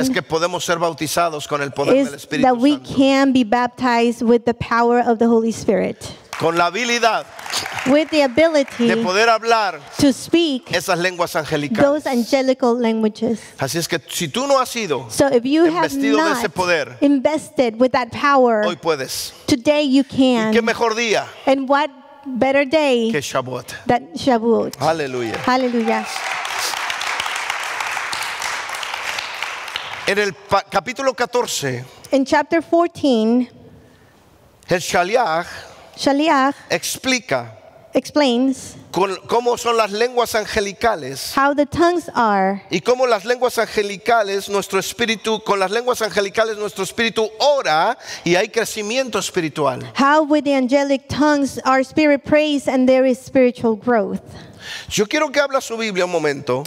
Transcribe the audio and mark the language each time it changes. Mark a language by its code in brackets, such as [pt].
[es] es que podemos ser bautizados con el poder del Espíritu Santo. [en] That we can be baptized with the power of the Holy Spirit. [es] Con la habilidad. [en] With the ability [es] de poder hablar [en] to speak [es] esas lenguas angelicales. [en] Those angelical languages. [es] Así es que si tú no has sido [en] so if you [es] investido [en] have not [es] de ese poder, [en] invested with that power, [es] hoy puedes. [en] Today you can. [es] ¿Y qué mejor día? [en] And what better day [es] que Shavuot. [en] Than Shavuot. [es] Aleluya. [en] Hallelujah. [es] En el capítulo 14, [en] in chapter 14, [es] el Shaliach explica [en] explains [es] cómo son las lenguas angelicales, [en] how the tongues are, [es] y cómo las lenguas angelicales, nuestro espíritu, con las lenguas angelicales, nuestro espíritu ora y hay crecimiento espiritual. [en] How with the angelic tongues our spirit prays and there is spiritual growth. [es] Yo quiero que abra su Biblia un momento.